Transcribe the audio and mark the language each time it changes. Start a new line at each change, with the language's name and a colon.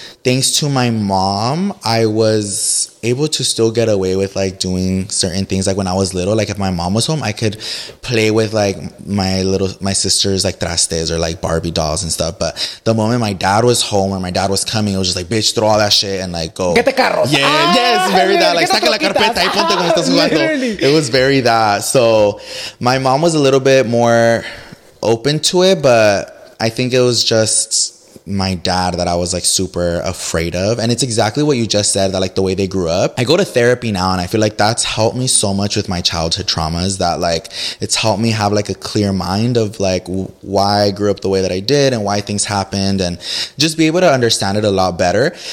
English: thanks to my mom, I was able to still get away with like doing certain things. Like when I was little, like if my mom was home, I could play with like my sister's like trastes or like Barbie dolls and stuff. But the moment my dad was home or my dad was coming, it was just like, bitch, throw all that shit and like go. Get the carro. Yeah, yes, very that.
Spanish: Like, saca la carpeta y ponte como estás jugando.
English: It was very that. So my mom was a little bit more open to it, but I think it was just my dad that I was like super afraid of. And it's exactly what you just said, that like the way they grew up. I go to therapy now and I feel like that's helped me so much with my childhood traumas, that like it's helped me have like a clear mind of like why I grew up the way that I did and why things happened, and just be able to understand it a lot better.